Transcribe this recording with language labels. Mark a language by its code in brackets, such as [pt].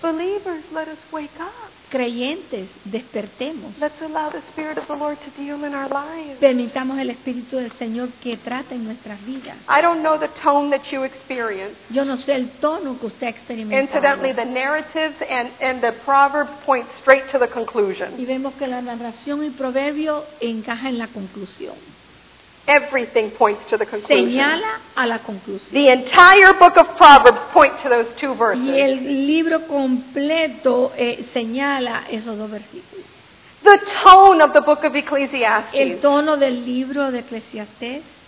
[en] Believers, let us wake up. [es] Creyentes, despertemos. [en] Let's allow the Spirit of the Lord to deal in our lives. [es] Permitamos el Espíritu del Señor que trate en nuestras vidas. [en] I don't know the tone that you experienced. [es] Yo no sé el tono que usted experimentó. [en] Incidentally, the narratives and the proverbs point straight to the conclusion. [es] Y vemos que la narración y proverbio encaja en la conclusión. [en] Everything points to the conclusion. [es] Señala a la conclusión. [en] The entire book of Proverbs points to those two verses. [es] Y el libro completo señala esos dos versículos. [en] The tone of the book of Ecclesiastes. [es] El tono del libro de Eclesiastés.